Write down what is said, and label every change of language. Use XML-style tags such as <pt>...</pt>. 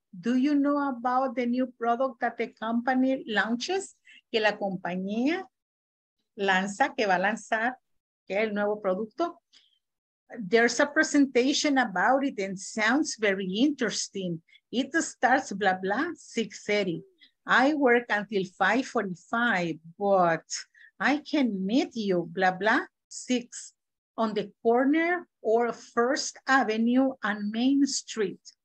<en>Do you know about the new product that the company launches?</en> <es>Que la compañía lanza, que va a lanzar, que es el nuevo producto.</es> <en>There's a presentation about it and sounds very interesting. It starts blah blah 6:30. I work until 5:45, but I can meet you blah blah 6 on the corner or First Avenue and Main Street.</en>